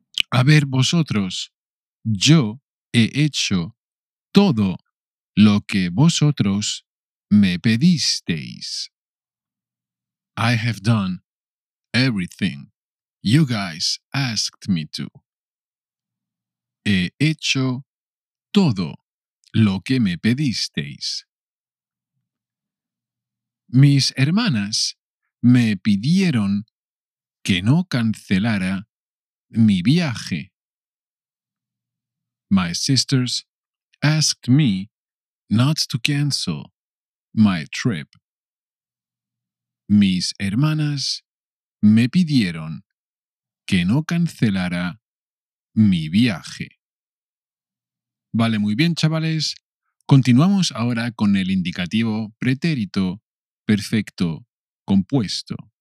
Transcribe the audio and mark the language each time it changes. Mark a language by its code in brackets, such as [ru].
[es] A ver vosotros, yo he hecho todo lo que vosotros me pedisteis. [en] I have done everything you guys asked me to. [es] He hecho todo lo que me pedisteis. Mis hermanas me pidieron que no cancelara mi viaje. [en] My sisters asked me not to cancel my trip. [es] Mis hermanas me pidieron que no cancelara mi viaje. Vale, muy bien, chavales. Continuamos ahora con el indicativo pretérito perfecto compuesto.